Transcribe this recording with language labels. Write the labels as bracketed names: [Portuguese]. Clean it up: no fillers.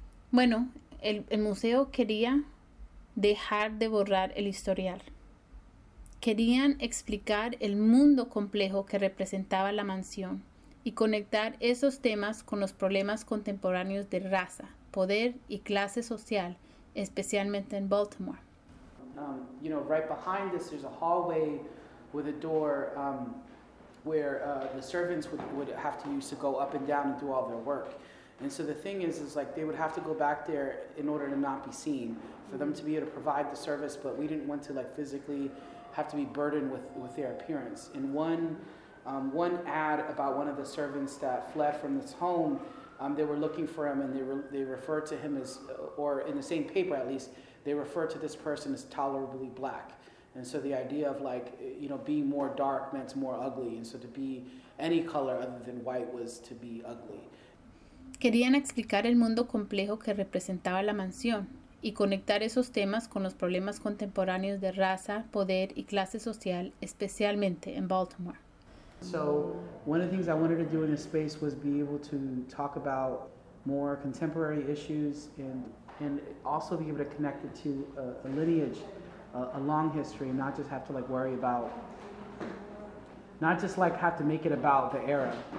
[Spanish] Bueno, el museo quería dejar de borrar el historial. Querían explicar el mundo complejo que representaba la mansión y conectar esos temas con los problemas contemporáneos de raza, poder y clase social, especialmente en Baltimore. [English] You know, right behind this there's a hallway with a door where the servants would have to use to go up and down and do all their work. And so the thing is like they would have to go back there in order to not be seen, for them to be able to provide the service, but we didn't want to like physically have to be burdened with their appearance. And one ad about one of the servants that fled from this home, they were looking for him and they referred to him as, or in the same paper at least, they referred to this person as tolerably black. And so the idea of like, you know, being more dark meant more ugly. And so to be any color other than white was to be ugly. [Spanish] Querían explicar el mundo complejo que representaba la mansión y conectar esos temas con los problemas contemporáneos de raza, poder y clase social, especialmente en Baltimore. [English] So one of the things I wanted to do in this space was be able to talk about more contemporary issues and also be able to connect it to a lineage. A long history, and not just have to like worry about, not just like have to make it about the era.